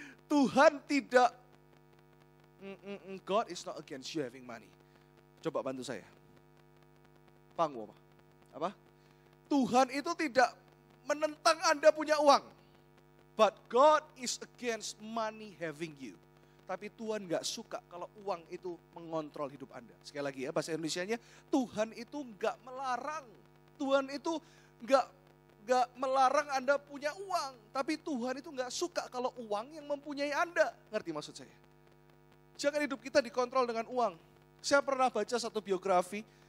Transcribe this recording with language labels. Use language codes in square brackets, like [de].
[id] Tuhan tidak [en] God is not against you having money. [id] Coba bantu saya. Pangwo apa? Apa? Tuhan itu tidak menentang Anda punya uang. [en] But God is against money having you. [id] Tapi Tuhan gak suka kalau uang itu mengontrol hidup Anda. Sekali lagi ya, bahasa Indonesianya, Tuhan itu gak melarang. Tuhan itu gak melarang Anda punya uang. Tapi Tuhan itu gak suka kalau uang yang mempunyai Anda. Ngerti maksud saya? Jangan hidup kita dikontrol dengan uang. Saya pernah baca satu biografi.